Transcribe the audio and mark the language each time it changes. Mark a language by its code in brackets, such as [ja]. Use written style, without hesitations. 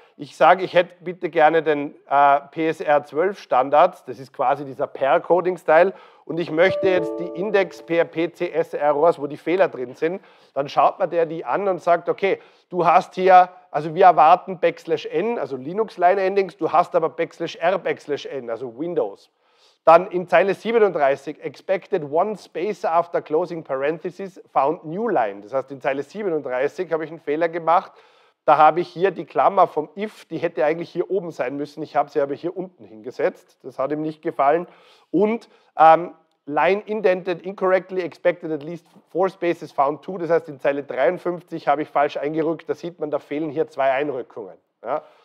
[de] Ich sage, ich hätte bitte gerne den PSR-12-Standard, das ist quasi dieser Per-Coding-Style, und ich möchte jetzt die Index-PHP-CS-Errors, wo die Fehler drin sind, dann schaut man der die an und sagt, okay, du hast hier, also wir erwarten Backslash N, also Linux-Line-Endings, du hast aber Backslash R, Backslash N, also Windows. Dann in Zeile 37, [en] expected one space after closing parentheses, found new line. [de] Das heißt, in Zeile 37 habe ich einen Fehler gemacht, da habe ich hier die Klammer vom if, die hätte eigentlich hier oben sein müssen. Ich habe sie aber hier unten hingesetzt. Das hat ihm nicht gefallen. Und [en] line indented incorrectly, expected at least 4 spaces, found 2. [de] Das heißt, in Zeile 53 habe ich falsch eingerückt. Da sieht man, da fehlen hier 2 Einrückungen. Ja.